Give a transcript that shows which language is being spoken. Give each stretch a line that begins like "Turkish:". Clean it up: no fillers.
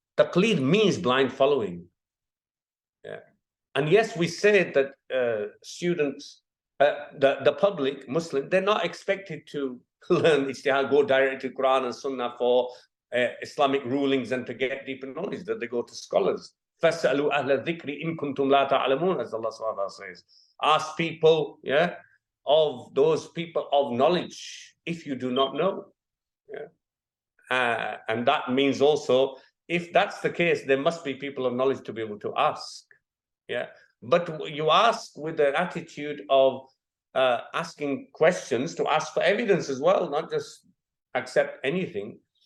English: Taqleed means blind following. Yeah. And yes, we said that students, the public, Muslim, they're not expected to learn ijtihad, go directly to Quran and Sunnah for Islamic rulings and to get deeper knowledge, that they go to scholars.
Arabic: فَاسْأَلُوا أَهْلَ الذِّكْرِ إِن كُنْتُمْ لَا تَعْلَمُونَ
English: as Allah SWT says. Ask people, yeah, of those people of knowledge if you do not know. Yeah. And that means also, if that's the case, there must be people of knowledge to be able to ask. Yeah. But you ask with an attitude of asking questions to ask for evidence as well, not just accept anything.